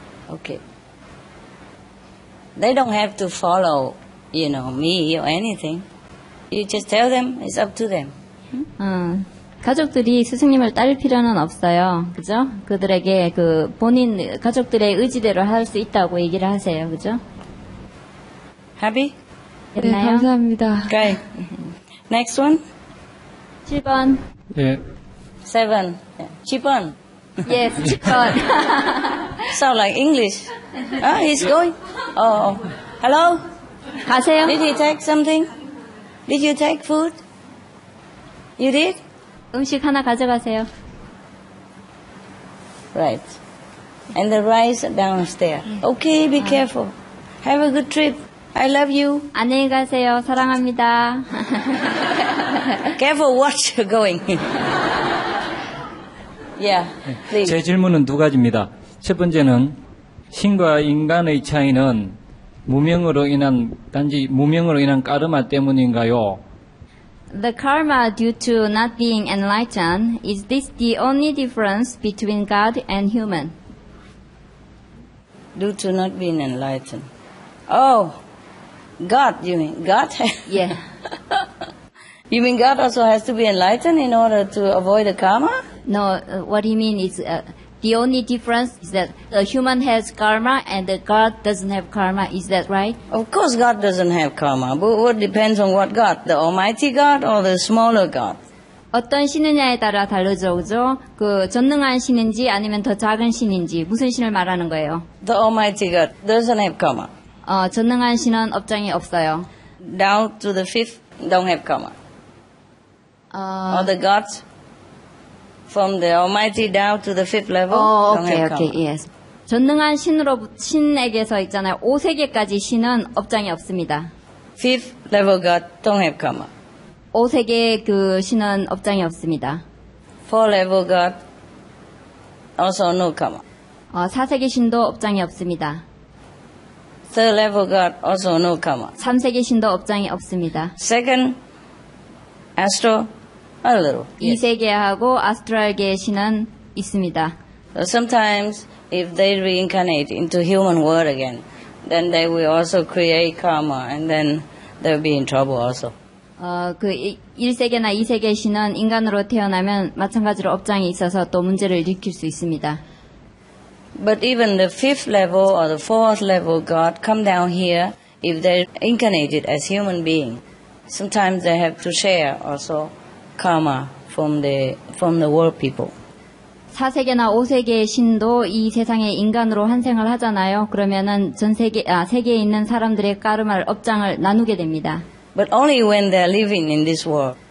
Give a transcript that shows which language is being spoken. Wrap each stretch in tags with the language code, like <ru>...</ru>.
<en>Okay. They don't have to follow, you know, me or anything. You just tell them, it's up to them.</en> <ko>가족들이 스승님을 따를 필요는 없어요. 그죠? 그들에게 그 본인 가족들의 의지대로 할 수 있다고 얘기를 하세요. 그죠?</ko> <en>Happy?</en> <ko>됐나요? 네, 감사합니다.</ko> <en>Okay. Next one?</en> <ko>7번. 예. 7. 7번.</ko> <en>Yes, 7번. Sound like English. Oh, he's going. Oh, hello?</en> <ko>가세요.</ko> <en>Did he take something? Did you take food? You did?</en> <ko>음식 하나 가져가세요.</ko> <en>Right. And the rice downstairs. Okay, be careful. Have a good trip. I love you.</en> <ko>안녕히 가세요. 사랑합니다.</ko> <en>Careful, watch going. Yeah, please.</en> <ko>제 질문은 두 가지입니다. 첫 번째는 신과 인간의 차이는 무명으로 인한 단지 무명으로 인한 까르마 때문인가요?</ko> <en>The karma due to not being enlightened, is this the only difference between God and human? Due to not being enlightened. Oh. God, you mean? God? Yeah. You mean God also has to be enlightened in order to avoid the karma? No, what he means is the only difference is that a human has karma and the God doesn't have karma. Is that right? Of course God doesn't have karma. But what depends on what God? The Almighty God or the smaller God?</en> <ko>어떤 신이냐에 따라 다르죠, 그죠? 그 전능한 신인지 아니면 더 작은 신인지 무슨 신을 말하는 거예요?</ko> <en>The Almighty God doesn't have karma.</en> <ko>전능한 신은 업장이 없어요.</ko> <en>Down to the fifth, don't have karma. Or the gods from the Almighty down to the fifth level, don't okay, have karma. Okay, yes.</en> <ko>전능한 신으로 신에게서 있잖아요. 5세계까지 신은 업장이 없습니다.</ko> <en>Fifth level god, don't have karma.</en> <ko>5세계 그 신은 업장이 없습니다.</ko> <en>Four level god, also no karma.</en> <ko>4세계 신도 업장이 없습니다.</ko> <en>Third level God also no karma.</en> <ko>3세계 신도 업장이 없습니다.</ko> <en>Second astral a little.</en> <ko>2세계하고 아스트랄계 신은 있습니다.</ko> <en>So sometimes if they reincarnate into human world again, then they will also create karma and then they'll be in trouble also.</en> <ko>그 1세계나 2세계 신은 인간으로 태어나면 마찬가지로 업장이 있어서 또 문제를 일으킬 수 있습니다.</ko> <en>But even the fifth level or the fourth level God come down here if they're incarnated as human being. Sometimes they have to share also karma from the world people.</en> <ko>4세계나 5세계의 신도 이 세상에 인간으로 환생을 하잖아요. 그러면은 전 세계 세계에 있는 사람들의 까르마를 업장을 나누게 됩니다.</ko> <en>But only when they're living in this world.</en>